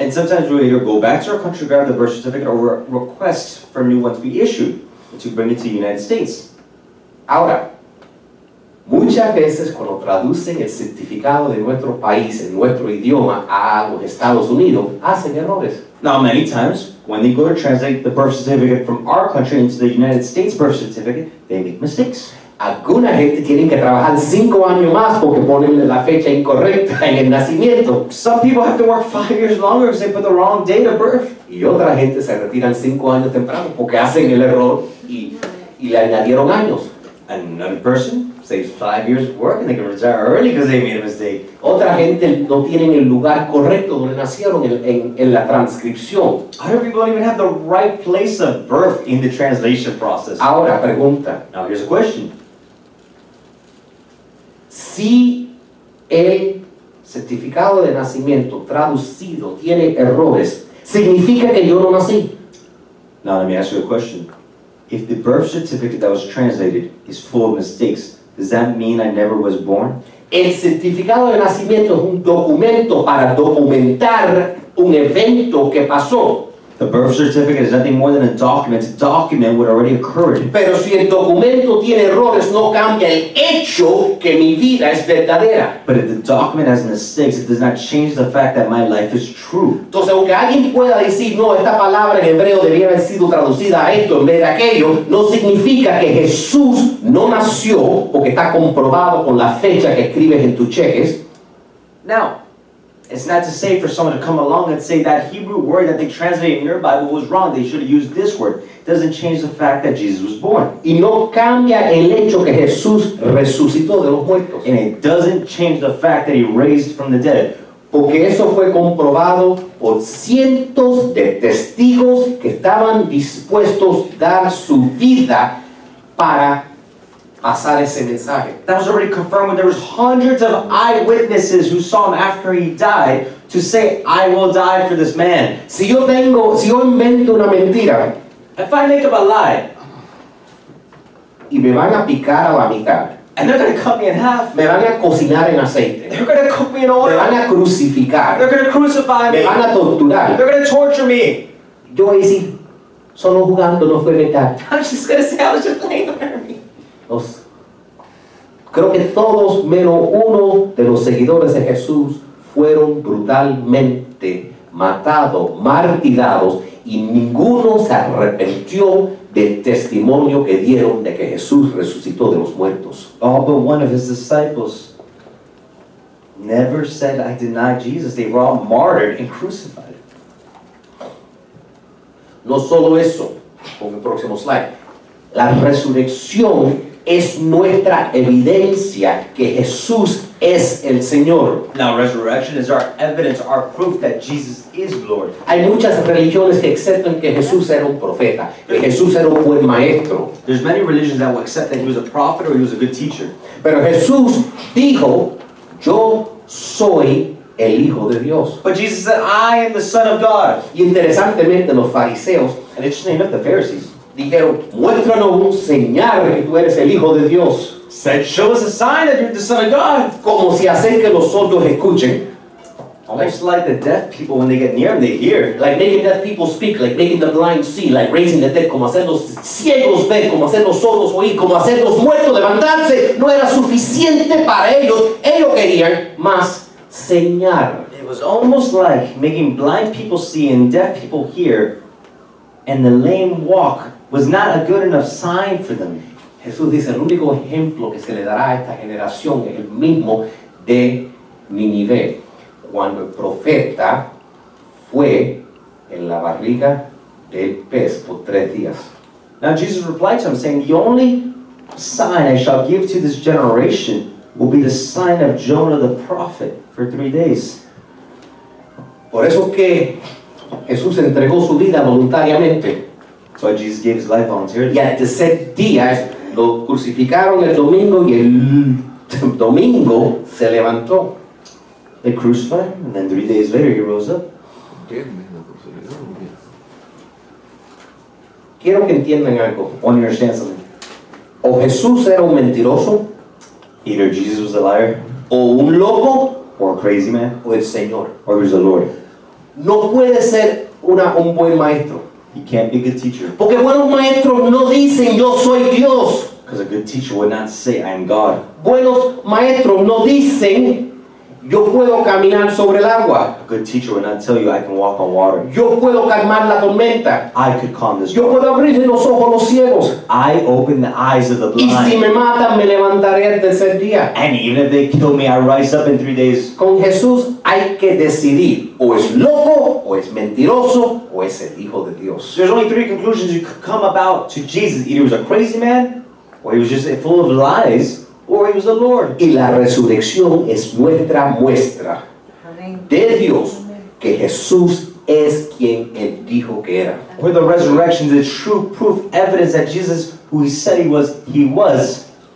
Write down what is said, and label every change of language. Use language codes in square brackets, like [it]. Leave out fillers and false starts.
[en] And sometimes we either go back to our country, grab the birth certificate, or request for a new one to be issued to bring it to the United States. [es] Ahora, muchas veces cuando traducen el certificado de nuestro país en nuestro idioma a los Estados Unidos, hacen errores. [en] Now, many times, when they go to translate the birth certificate from our country into the United States birth certificate, they make mistakes. [es] Alguna gente tiene que trabajar 5 años más porque ponen la fecha incorrecta en el nacimiento. [en] Some people have to work 5 years longer because they put the wrong date of birth. [es] Y otra gente se retiran 5 años temprano porque hacen el error y le añadieron años. [en] Another person saves 5 years of work and they can retire early because they made a mistake. [es] Otra gente no tienen el lugar correcto donde nacieron en la transcripción. [en] Other people don't even have the right place of birth in the translation process. [es] Ahora pregunta. [en] Now here's a question. [es] Si el certificado de nacimiento traducido tiene errores, ¿significa que yo no nací? [en] Now let me ask you a question. If the birth certificate that was translated is full of mistakes, does that mean I never was born? [es] El certificado de nacimiento es un documento para documentar un evento que pasó. [en] The birth certificate is nothing more than a document. It's a document what already occurred. [es] Pero si el documento tiene errores, no cambia el hecho que mi vida es verdadera. [en] But if the document has mistakes, it does not change the fact that my life is true. [es] Entonces, aunque alguien pueda decir, no, esta palabra en hebreo debería haber sido traducida a esto en vez de aquello, no significa que Jesús no nació porque está comprobado con la fecha que escribes en tus cheques. [en] Now, it's not to say for someone to come along and say that Hebrew word that they translated in your Bible was wrong. They should have used this word. It doesn't change the fact that Jesus was born. [es] Y no cambia el hecho que Jesús resucitó de los muertos. [en] And it doesn't change the fact that he raised from the dead. [es] Porque eso fue comprobado por cientos de testigos que estaban dispuestos a dar su vida para pasar ese mensaje. [en] That was already confirmed when there was hundreds of eyewitnesses who saw him after he died to say, I will die for this man. [es] Si yo invento una mentira, [en] if I make up a lie, [es] y me van a picar a la mitad, [en] And they're going to cut me in half. [es] Me van a cocinar en aceite. [en] They're going to cook me in oil. [es] Me van a crucificar. [en] They're going to crucify me. [es] Me van a torturar. [en] They're going to torture me. [es] Yo hice solo jugando, no fue verdad. [en] I was just going to say, I was just playing with [es] Los, creo que todos menos uno de los seguidores de Jesús fueron brutalmente matados, martirados, y ninguno se arrepintió del testimonio que dieron de que Jesús resucitó de los muertos. [en] All but one of his disciples never said, I deny Jesus. They were all martyred and crucified. [es] No solo eso, con el próximo slide. La resurrección es nuestra evidencia que Jesús es el Señor. [en] Now, resurrection is our evidence, our proof that Jesus is Lord. [es] Hay muchas religiones que aceptan que Jesús era un profeta, que Jesús era un buen maestro. [en] There's many religions that will accept that he was a prophet or he was a good teacher. [es] Pero Jesús dijo, yo soy el Hijo de Dios. [en] But Jesus said, I am the Son of God. [es] Y interesantemente, los fariseos, [en] and interestingly enough, the Pharisees, [es] dijeron, muéstranos un señal que tú eres el Hijo de Dios. [en] Said, show us a sign that you're the Son of God. [es] Como si hacer que los sordos escuchen. [en] Almost like the deaf people, when they get near them, they hear. Like making deaf people speak, like making the blind see, like raising the dead, [es] como hacer los ciegos ver, como hacer los sordos oír, como hacer los muertos levantarse. No era suficiente para ellos. Ellos querían más señal. [en] It was almost like making blind people see and deaf people hear, and the lame walk was not a good enough sign for them. [es] Jesús dice, el único ejemplo que se le dará a esta generación es el mismo de Nínive, cuando el profeta fue en la barriga del pez por tres días. [en] Now Jesus replied to him, saying, the only sign I shall give to this generation will be the sign of Jonah the prophet for 3 days. [es] Por eso que Jesús entregó su vida voluntariamente. [en] So Jesus gave his life voluntarily. [es] Y a los 7 días lo crucificaron el domingo y el domingo se levantó. [en] They crucified him and then 3 days later he rose up. [es] Quiero que entiendan algo. [en] I want you to understand something. [es] O Jesús era un mentiroso. [en] Either Jesus was a liar. [es] O un loco. [en] Or a crazy man. [es] O el Señor. [en] Or he was the Lord. [es] No puede ser un buen maestro. [en] He can't be a good teacher. [es] Porque buenos maestros no dicen yo soy Dios. [en] Because a good teacher would not say I am God. [es] Buenos maestros no dicen yo puedo caminar sobre el agua. [en] A good teacher would not tell you I can walk on water. [es] Yo puedo calmar la tormenta. [en] I could calm this. [es] Yo puedo abrir los ojos a los ciegos. [en] I open the eyes of the blind. [es] Y si me matan, me levantaré el tercer día. [en] And even if they kill me, I rise up in 3 days. [es] Con Jesús hay que decidir. O es loco, o es mentiroso, o es el Hijo de Dios. [en] There's only 3 conclusions you could come about to Jesus. Either he was a crazy man, or he was just full of lies, or he was the Lord. [es] Y la resurrección es nuestra muestra de Dios que Jesús es quien él dijo que era. [en] Where the resurrection is true proof, evidence that Jesus, who he said he was.